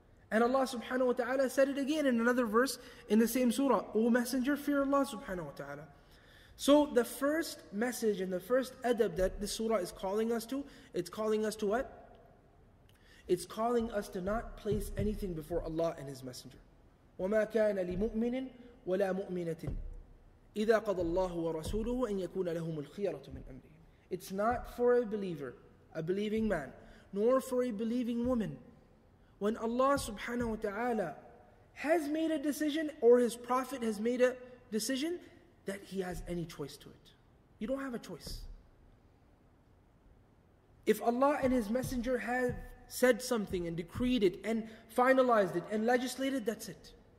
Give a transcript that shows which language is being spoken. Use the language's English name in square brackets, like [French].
[English] And Allah subhanahu wa ta'ala said it again in another verse in the same surah. O Messenger, fear Allah subhanahu wa ta'ala. So the first message and the first adab that this surah is calling us to, it's calling us to what? It's calling us to not place anything before Allah and His Messenger. [Arabic] وَمَا كَانَ لِمُؤْمِنٍ وَلَا مُؤْمِنَةٍ إِذَا قَضَ اللَّهُ وَرَسُولُهُ أَنْ يَكُونَ لَهُمُ الْخِيَرَةُ مِنْ أَمْرِهِ [English] It's not for a believer, a believing man, nor for a believing woman. When Allah subhanahu wa ta'ala has made a decision, or His Prophet has made a decision, that he has any choice to it. You don't have a choice. If Allah and His Messenger have said something and decreed it and finalized it and legislated, that's it.